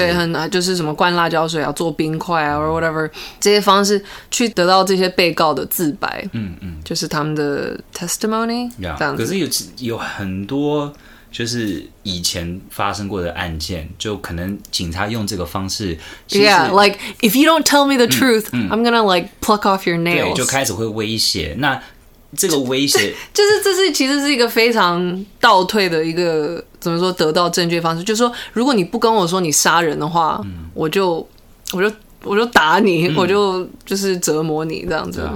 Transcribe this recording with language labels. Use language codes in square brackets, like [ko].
[zh] 对，很就是什么灌辣椒水啊，做冰块啊、嗯、 [en] or whatever [zh] 这些方式去得到这些被告的自白，嗯嗯，就是他们的 testimony、yeah， 这样子。可是 有很多就是以前发生过的案件，就可能警察用这个方式其实 [en] yeah， like if you don't tell me the truth、嗯嗯、I'm gonna like pluck off your nails， [zh] 对，就开始会威胁，那这个威胁就是这是其实是一个非常倒退的一个怎么说得到证据方式，就是说如果你不跟我说你杀人的话、嗯、我就打你、嗯、我就是折磨你这样子、啊、